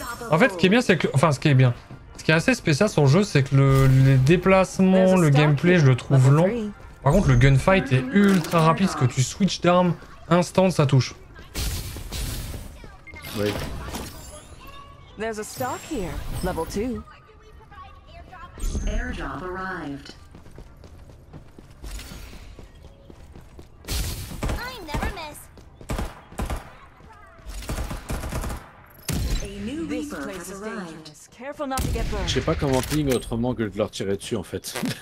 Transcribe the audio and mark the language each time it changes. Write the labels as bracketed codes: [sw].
[fr] En fait, ce qui est bien, c'est que. Enfin, ce qui est bien. Ce qui est assez spécial sur le jeu, c'est que les déplacements, le gameplay, je le trouve lent. Par contre, le gunfight est ultra rapide parce que tu switches d'arme instant, ça touche. Oui. [en] There's a stock here, level 2. Airdrop arrived. I never miss. A new Reaper has arrived. Careful not to get burned. [fr] Je sais pas comment ping autrement que de leur tirer dessus en fait.